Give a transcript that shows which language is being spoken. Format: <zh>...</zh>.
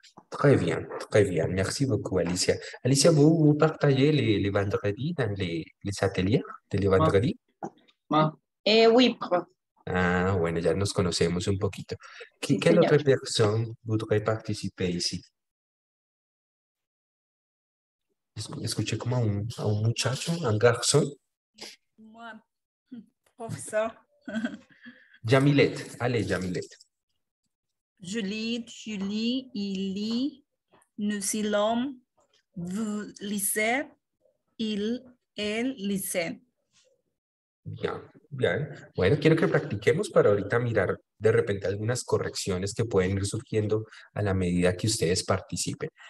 <fr>Très bien, très bien. Merci beaucoup, Alicia. Alicia, vous partagez les vendredis dans les ateliers de les vendredis? Oui, profe.</fr> <es>Ah, bueno, ya nos conocemos un poquito. Sí,</es> <fr>¿Quelle</fr> <es>señor.</es> <fr>autre personne voudrait participer ici?</fr> <es>Escuché como a un muchacho,</es> <fr>un garçon. Moi, profesor. Jamilet, allez, Jamilet. Julie, il lit, nous y l'homme, vous lisez, il, elle lisez. Bien, bien.</fr> <es>Bueno, quiero que practiquemos para ahorita mirar de repente algunas correcciones que pueden ir surgiendo a la medida que ustedes participen.</es>